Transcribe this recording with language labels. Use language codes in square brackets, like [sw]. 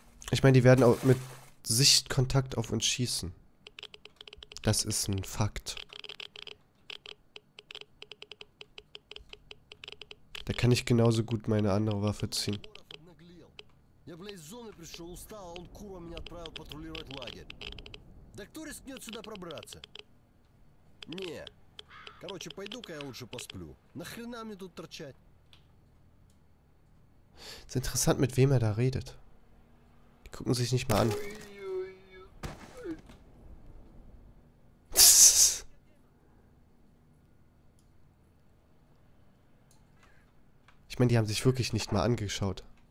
[de] Ich meine, die werden auch mit Sichtkontakt auf uns schießen. Das ist ein Fakt. Da kann ich genauso gut meine andere Waffe ziehen. [ru] Я, блядь, с зоны пришел, устал, а он Куро меня отправил патрулировать лагерь. Да кто рискнет сюда пробраться? Не. Короче, пойду-ка я лучше посплю. Нахрена мне тут торчать? [de] Interessant, mit wem da redet. Die gucken sich nicht mal an. Ich meine, die haben sich wirklich nicht mal angeschaut.